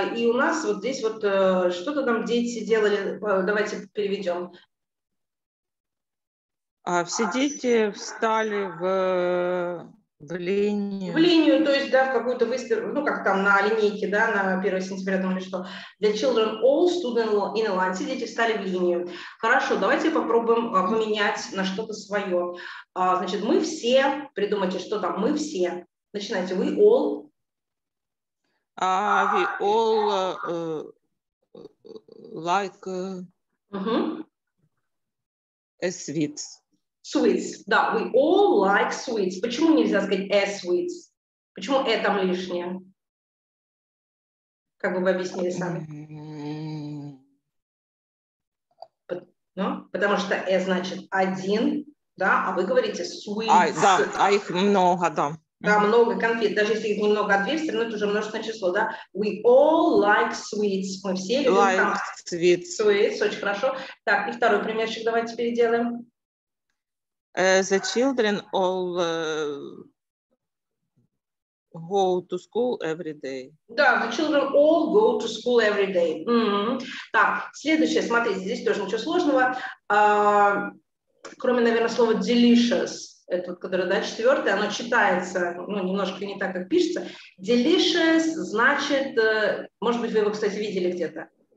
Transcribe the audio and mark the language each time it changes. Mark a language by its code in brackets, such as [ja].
[ru] И у нас вот здесь вот что-то там дети делали. Давайте переведем. Все дети встали в линию. В линию, то есть, да, в какую-то выставку, ну, как там, на линейке, да, на 1 сентября, там, или что. [en] The children all stood in a line. [ru] Все дети встали в линию. Хорошо, давайте попробуем поменять на что-то свое. Значит, мы все, придумайте, что там, мы все. Начинайте, [en] we all. We all like a sweet. Sweets, да, we all like sweets. [ru] Почему нельзя сказать a sweets? Почему a там лишнее? Как бы вы объяснили сами? Ну, потому что a значит один, да, а вы говорите sweets. Да, а их много, да. Да, много конфет, даже если их немного отверстие, но это уже множественное число, да. [en] We all like sweets. [ru] Мы все любим [en] like sweets. [ru] Sweets, очень хорошо. Так, и второй примерчик давайте переделаем. [en] The children all go to school every day. Да, the children all go to school every day. [ru] Так, следующее, смотрите, здесь тоже ничего сложного. Кроме, наверное, слова delicious, это вот, которое, да, четвертое, оно читается, ну, немножко не так, как пишется. Delicious значит, может быть, вы его, кстати, видели где-то.